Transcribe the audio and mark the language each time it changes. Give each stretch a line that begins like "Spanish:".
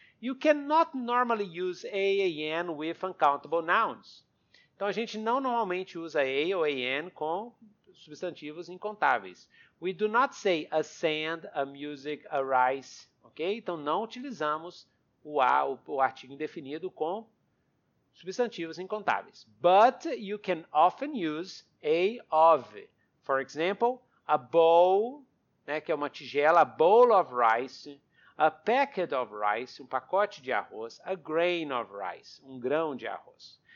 English: You cannot normally use a, an with uncountable nouns.
Portuguese: Então, a gente não normalmente usa a ou an com substantivos incontáveis.
English: We do not say a sand, a music, a rice. Okay?
Portuguese: Então, não utilizamos o a, o artigo indefinido com substantivos incontáveis.
English: But you can often use a of. For example, a bowl,
Portuguese: né, que é uma tigela,
English: a bowl of rice, a packet of rice,
Portuguese: um pacote de arroz,
English: a grain of rice,
Portuguese: um grão de arroz.